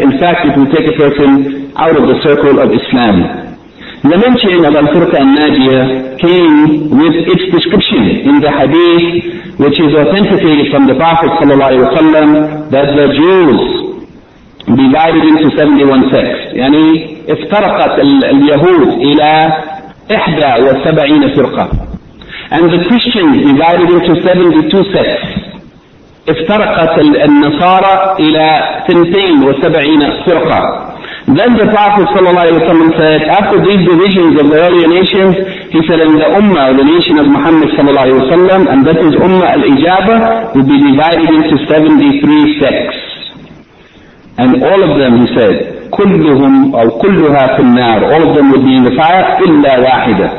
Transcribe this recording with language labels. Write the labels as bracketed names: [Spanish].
[English] In fact, it will take a person out of the circle of Islam. The mention of al-firqa al-najiyah came with its description in the hadith, which is authenticated from the Prophet ﷺ, that the Jews divided into 71 sects. [Arabic] Yani, افترقت اليهود إلى 71 فرقة. [English] And the Christians divided into 72 sects. [Arabic] افترقت النصارى إلى 72 فرقة. [English] Then the Prophet ﷺ said, after these divisions of the earlier nations, he said, and the Ummah, the nation of Muhammad ﷺ, and that is Ummah al-Ijaba, will be divided into 73 sects. And all of them, he said, [Arabic] كلهم أو كلها في النار, [English] all of them will be in the fire, [Arabic] إلا واحدة.